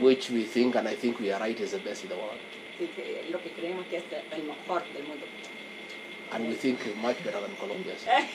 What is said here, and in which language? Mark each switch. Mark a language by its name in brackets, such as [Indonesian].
[English] Which we think, and I think we are right, is the best in the world. [Spanish] Lo que creemos que es el mejor del mundo. [English] And we think it's much better than Colombia's.